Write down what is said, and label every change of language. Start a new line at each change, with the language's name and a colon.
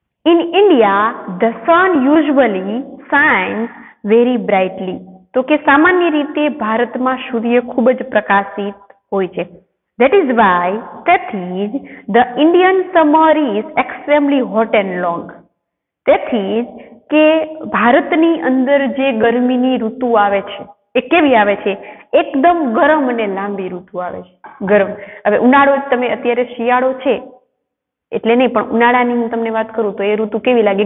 English: In India the sun usually shines very brightly.
Gujarati: તો કે સામાન્ય રીતે ભારતમાં સૂર્ય ખૂબ જ પ્રકાશિત હોય છે.
English: That is why, the Indian summer is extremely hot and long.
Gujarati: તેથી જ કે ભારતની અંદર જે ગરમીની ઋતુ આવે છે એ કેવી આવે છે? એકદમ ગરમ અને લાંબી ઋતુ આવે છે. ગરમ. હવે ઉનાળો તમે અત્યારે શિયાળો છે એટલે નહીં, પણ ઉનાળાની હું તમને વાત કરું તો એ ઋતુ કેવી લાગે?